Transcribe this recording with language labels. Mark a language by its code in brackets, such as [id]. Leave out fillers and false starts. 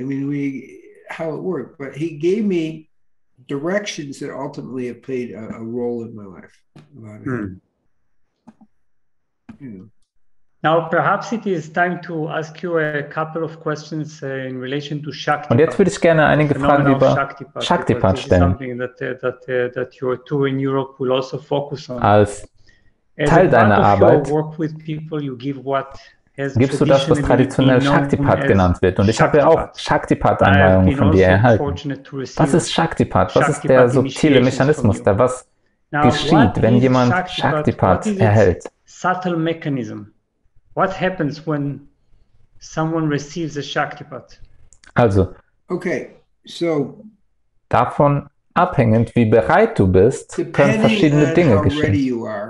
[en] I mean, how it worked, but he gave me directions that ultimately have played a role in my life. A lot of, Now perhaps it is time to ask you a couple of questions in relation to Shaktipat. [de] Und jetzt würde ich gerne einige Fragen über Shaktipat stellen. [en] That your tour in Europe will also focus on. [de] Als Teil deiner Arbeit [en] work with people, you give what has [de] gibst du das, was traditionell Shaktipat genannt wird. Und ich habe ja auch Shaktipat-Anweisungen von dir erhalten. Was ist Shaktipat? Was ist der subtile Mechanismus da? Was geschieht, wenn jemand Shaktipat erhält? [en] Subtle mechanism. What happens when someone receives a Shaktipat? Also, okay, so [de] davon abhängend, wie bereit du bist, können verschiedene Dinge geschehen.